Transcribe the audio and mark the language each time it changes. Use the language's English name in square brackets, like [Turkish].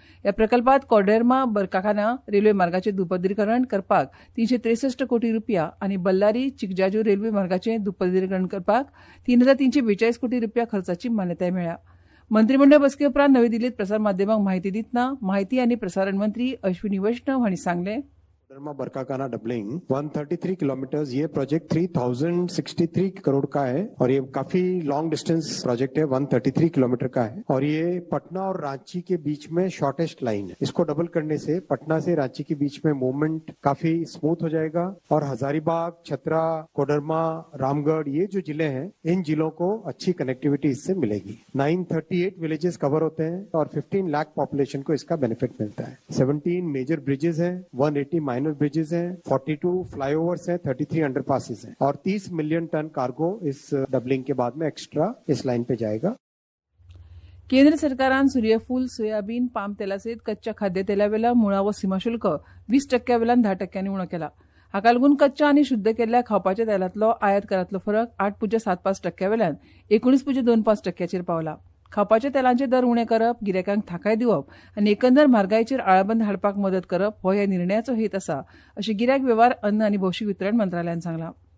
[Konkani] ह्या प्रकल्पात कोडेर्मा बरकाखाना रेल्वे मार्गाचे दुपदरीकरण करपाक 363 कोटी रुपया आणि बल्लारी चिकजाजू रेल्वे मार्गाचे दुपदरीकरण करपाक 3,342 कोटी रुपया खर्चाची मान्यताय मेळ्या. मंत्रिमंडळ बसके उपरांत नवी दिल्लीत प्रसारमाध्यमांक माहिती दितना माहिती आणि प्रसारण मंत्री अश्विनी वैष्णव हांणी सांगले, [Hindi] बरकाखाना डबलिंग 133 किलोमीटर, ये प्रोजेक्ट 3063 करोड़ का है और ये काफी लॉन्ग डिस्टेंस प्रोजेक्ट है, 133 किलोमीटर का है और ये पटना और रांची के बीच में शॉर्टेस्ट लाइन है. इसको डबल करने से पटना से रांची के बीच में मूवमेंट काफी स्मूथ हो जाएगा और हजारीबाग, छतरा, कोडरमा, रामगढ़, ये जो जिले हैं इन जिलों को अच्छी कनेक्टिविटी इससे मिलेगी. 938 विलेजेस कवर होते हैं और 15 लाख पॉपुलेशन को इसका बेनिफिट मिलता है. 17 मेजर ब्रिजेस है, 180 ब्रिजेस हैं, 42 फ्लाईओवर्स हैं, 33 अंडरपासेस हैं और 30 मिलियन टन कार्गो इस डबलिंग के बाद में एक्स्ट्रा इस लाइन पे जाएगा. [Konkani] केंद्र सरकारान सूर्यफूल, सोयाबीन, पाम तेलासहित कच्च्या खाद्यतेलावेला मुळा व सीमाशुल्क 20%वेल्यान 10%नी उणो केला. हाका लागून कच्च्या आणि शुद्ध केल्या खावपाच्या तेलातलो आयात करातलो फरक 8.75%वेल्यान 19.25%चेर पावला. खावपाच्या तेलांचे दर उणे करप, गिरायकांक थाकाय दिवप आणि एकंदर म्हारगायेचेर आळाबंद हाडपाक मदत करप हो ह्या निर्णयाचो हेत असा अशी गिरायक वेव्हार अन्न आणि भौशिक वितरण मंत्रालयान सांगला.